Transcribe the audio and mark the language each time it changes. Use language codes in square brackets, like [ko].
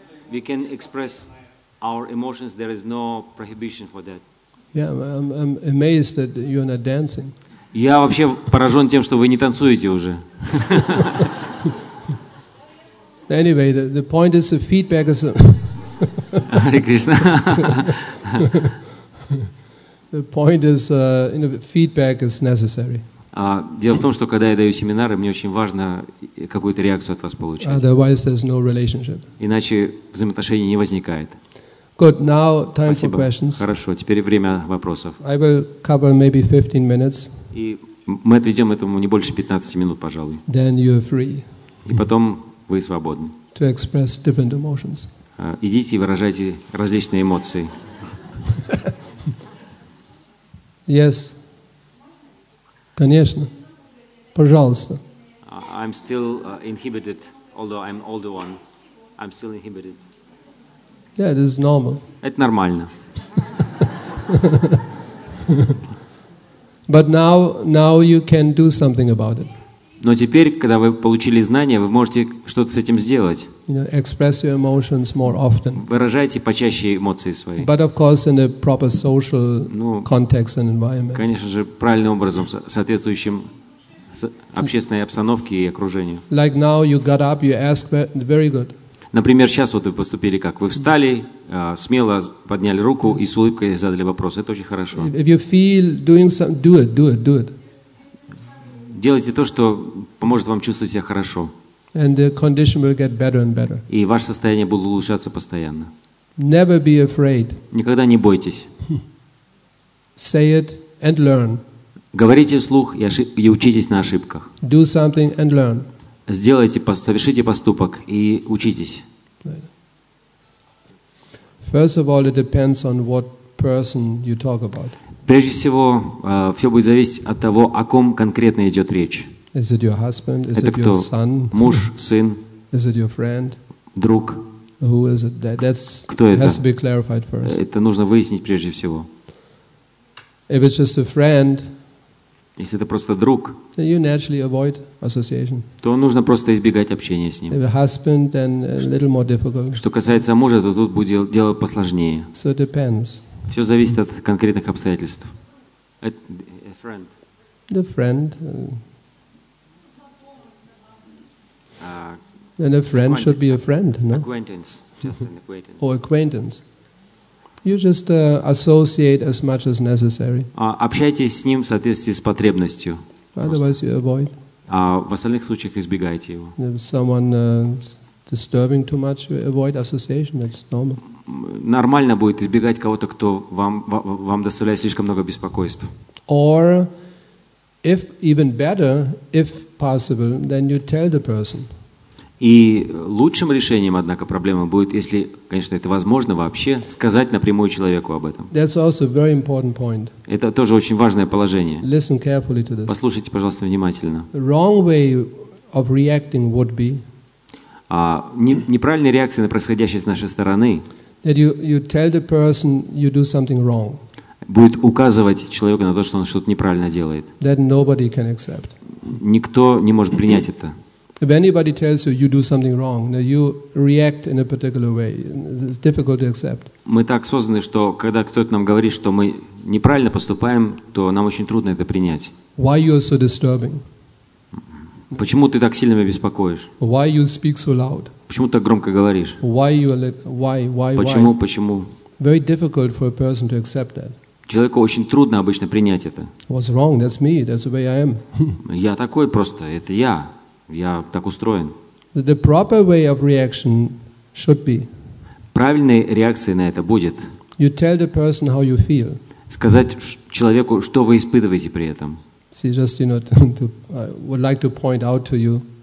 [en] We can express our emotions. There is no prohibition for that. Yeah, I'm amazed that you're not dancing. [ru] Я вообще поражен тем, что вы не танцуете уже. [en] Anyway, the point is the feedback is. Hare Krishna. The point is, you know, feedback is necessary. [ru] Дело в том, что когда я даю семинары, мне очень важно какую-то реакцию от вас получать. [en] Otherwise, there's no relationship. [ru] Иначе взаимоотношений не возникает. [en] Good. Now, time for questions. [ru] Хорошо, теперь время вопросов. [en] I will cover maybe 15 minutes. [ru] И мы отведем этому не больше 15 минут, пожалуй. [en] Then you're free. [ru] И потом вы свободны. [en] To express different emotions. [ru] Идите и выражайте различные эмоции. [en] Yes. [ru] Конечно. Пожалуйста. [en] I'm still inhibited, although I'm older one. I'm still inhibited. Yeah, this is normal. [ru] Это нормально. [en] But now you can do something about it. [ru] Но теперь, когда вы получили знания, вы можете что-то с этим сделать. [en] You know, express your emotions more often. [ru] Выражайте почаще эмоции свои. [en] But of course, in a proper social context and environment. [ru] Конечно же, правильным образом, соответствующим общественной обстановке и окружению. [en] Like now, you got up, you asked, very good. [ru] Например, сейчас вот вы поступили как? Вы встали, смело подняли руку и с улыбкой задали вопрос. Это очень хорошо. [en] If you feel doing something, do it, do it, do it. [ru] Делайте то, что поможет вам чувствовать себя хорошо. [en] And the condition will get better and better. [ru] И ваше состояние будет улучшаться постоянно. [en] Never be afraid. [ru] Никогда не бойтесь. [en] Say it and learn. [ru] Говорите вслух и учитесь на ошибках. [en] Do something and learn. [ru] Сделайте, совершите поступок и учитесь. [en] First of all, it depends on what person you talk about. [ru] Прежде всего, все будет зависеть от того, о ком конкретно идет речь. [en] Is it your husband? Is [ru] это [en] it [ru] кто? [en] Your son? [ru] Муж, сын? [en] Is it your friend? [ru] Друг? [en] Who is it? That's, [ru] кто это? [en] Has to be clarified first. [ru] Это нужно выяснить прежде всего. [en] If it's just a friend, [ru] если это просто друг, [en] then you naturally avoid association. [ru] То нужно просто избегать общения с ним. [en] If a husband, then a little more difficult. [ru] Что касается мужа, то тут будет дело посложнее. [en] So it depends. [ru] Все зависит от конкретных обстоятельств. [en] A friend. The friend. Then a friend should be a friend, no? Acquaintance. Just an acquaintance. Or acquaintance. You just associate as much as necessary. [ru] Общайтесь с ним в соответствии с потребностью. [en] Otherwise you avoid. [ru] В остальных случаях избегайте его. [en] If someone is disturbing too much, you avoid association. That's normal. [ru] Нормально будет избегать кого-то, кто вам доставляет слишком много беспокойств. [en] Or, if even better, if possible, then you tell the person. [ru] И лучшим решением, однако, проблемы будет, если, конечно, это возможно вообще, сказать напрямую человеку об этом. [en] That's also a very important point. [ru] Это тоже очень важное положение. [en] Listen carefully to this. [ru] Послушайте, пожалуйста, внимательно. [en] Wrong way of reacting would be. [ru] Неправильная реакция на происходящее с нашей стороны. [en] That you tell the person you do something wrong. [ru] Будет указывать человеку на то, что он что-то неправильно делает. [en] That nobody can accept. [ru] Никто не может принять это. [en] If anybody tells you you do something wrong, then you react in a particular way. It's difficult to accept. [ru] Мы так созданы, что когда кто-то нам говорит, что мы неправильно поступаем, то нам очень трудно это принять. [en] Why you are so disturbing? [ru] Почему ты так сильно меня беспокоишь? [en] Why you speak so loud? [ru] Почему ты так громко говоришь? [en] Why? [ru] Почему? Почему? [en] Very difficult for a person to accept that. [ru] Человеку очень трудно обычно принять это. [en] What's wrong? That's me. That's the way I am. [ru] Я такой просто. Это я. Я так устроен. [en] The proper way of reaction should be. [ru] Правильной реакцией на это будет. [en] You tell the person how you feel. [ru] Сказать человеку, что вы испытываете при этом. [en] See, just, you know, to, I would like to point out to you.